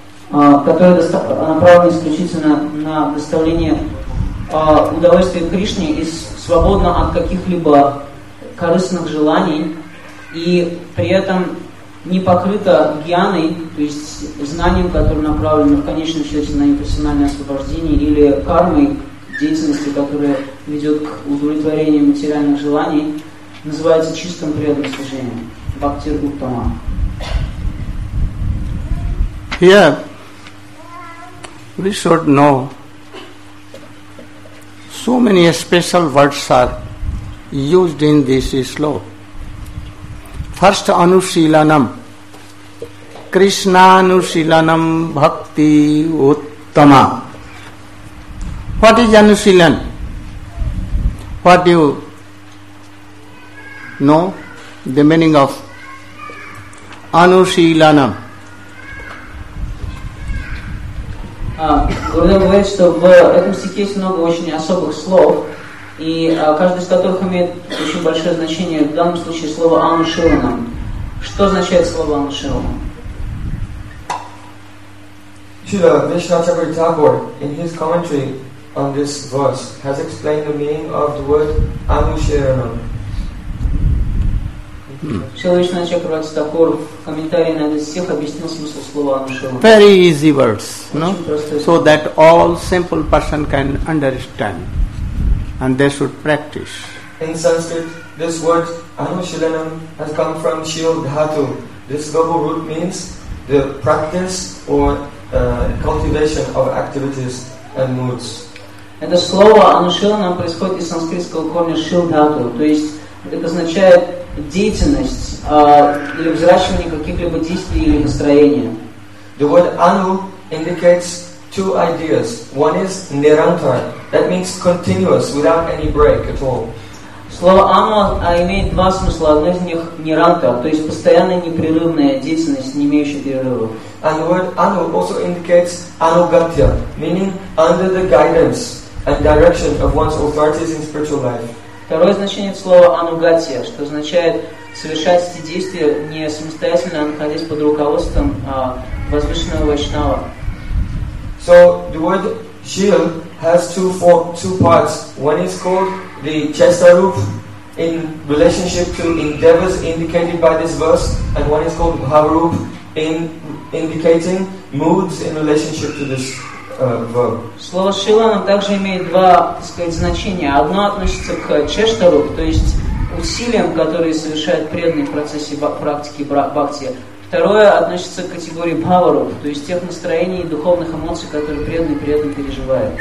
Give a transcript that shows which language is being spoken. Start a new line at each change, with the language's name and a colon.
Russian: которое направлено исключительно на доставление удовольствия Кришне и свободно от каких-либо корыстных желаний, и при этом не покрыто гьяной, то есть знанием, которое направлено в конечном счете на имперсональное освобождение, или кармой деятельности, которая ведет к удовлетворению материальных желаний, называется чистым преданным служением.
Sanskrit: Бхактир Уттама.
English: Here, we should know so many special words are used in this slok. First, anusilanam. Krishnanusilanam bhakti uttama. What is anusilan? What do you know? The meaning of anusilanam.
Russian: Гурудев говорит, что в этом стихе есть много очень особых слов, и каждый из которых имеет очень большое значение. В данном случае слово «анушиланам». Что означает слово «анушиланам»?
English: Śrīla Viṣṇācārya Thakura, in his commentary on this verse, has explained the meaning of the word anusheranam.
Russian: Śrīla Viṣṇācārya Thakura, commentary на этот стих, объяснил смысл слова anusheranam.
English: Very easy words, no? So that all simple person can understand, and they should practice. In Sanskrit, this word anusheranam has come from śrīla dhatu. This verbal root means the practice or cultivation of activities and moods.
Russian: Это слово anusheranam происходит из санскритского корня shildhatu, то есть это означает деятельность или взращивание каких-либо действий или настроения.
English: The word anu indicates two ideas. One is nirantar, that means continuous, without any break at all.
Russian: Слово anu имеет два смысла. Одно из них nirantar, то есть постоянная непрерывная деятельность, не имеющая перерывов.
English: And the word anu also indicates anugatya, meaning under the guidance and direction of one's authorities in spiritual life.
Russian: Второе значение слова anugatya, что означает совершать эти действия не самостоятельно, а находясь под руководством возвышенного вайшнава.
English: So the word shil has two parts. One is called the chestarup in relationship to endeavors indicated by this verse, and one is called bhavarup in indicating moods in relationship to this verb.
Russian: Слово шилана также имеет два, так сказать, значения. Одно относится к чештаруп, то есть усилиям, которые совершают преданные в процессе практики бхакти. Второе относится к категории бхаваруп, то есть тех настроений и духовных эмоций, которые преданные переживают.